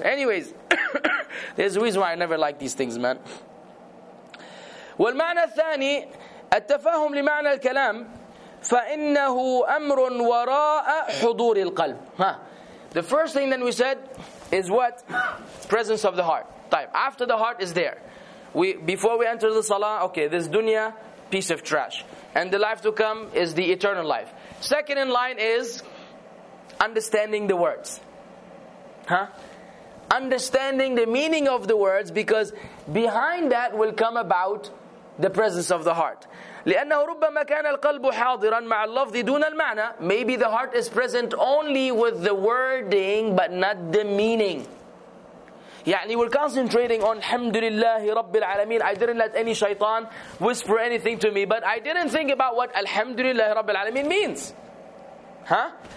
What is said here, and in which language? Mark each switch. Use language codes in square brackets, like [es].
[en] Anyways, there's a reason why I never like these things, man. [ar] والمعنى الثاني التفاهم لمعنى الكلام فإنه أمر وراء حضور القلب. [en] The first thing that we said is what? Presence of the heart. Type. After the heart is there. Before we enter the salah, okay, this dunya, piece of trash. And the life to come is the eternal life. Second in line is understanding the words. Huh? Understanding the meaning of the words, because behind that will come about the presence of the heart. [ar] لأنه ربما كان القلب حاضرا مع اللفظ دون المعنى. [en] Maybe the heart is present only with the wording but not the meaning. يعني we're concentrating on Alhamdulillahi Rabbil Alameen. I didn't let any shaitan whisper anything to me, but I didn't think about what Alhamdulillahi Rabbil Alameen means. Huh?